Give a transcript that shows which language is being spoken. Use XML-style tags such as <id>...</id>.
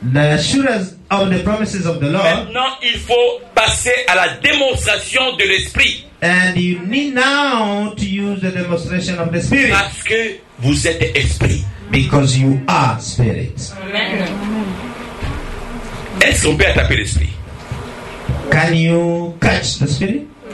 <en>The assurance of the promises of the Lord.</en> <fr>Maintenant, il faut passer à la démonstration de l'esprit.</fr> <en>And you need now to use the demonstration of the spirit.</en> <fr>Parce que vous êtes esprit.</fr> <en>Because you are spirit.</en> <fr>Amen. Est-ce qu'on peut attraper l'esprit?</fr> <en>Can you catch the spirit?</en>